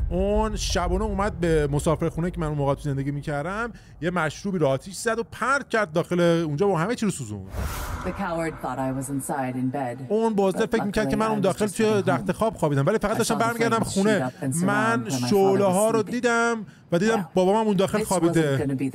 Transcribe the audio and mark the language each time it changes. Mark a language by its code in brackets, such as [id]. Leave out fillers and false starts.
[fa] اون شبونه اومد به مسافرخونه که من اون موقع تو زندگی می‌کردم، یه مشروبی رو آتیش زد و پرت کرد داخل اونجا و همه چی رو سوزوند. [en] The coward thought I was inside in bed. [fa] اون بازده فکر می‌کرد که من اون داخل توی رخت خواب خوابیدم، ولی فقط داشتم برمیگردم خونه. من شعله‌ها رو دیدم و دیدم بابامم اون داخل خوابیده.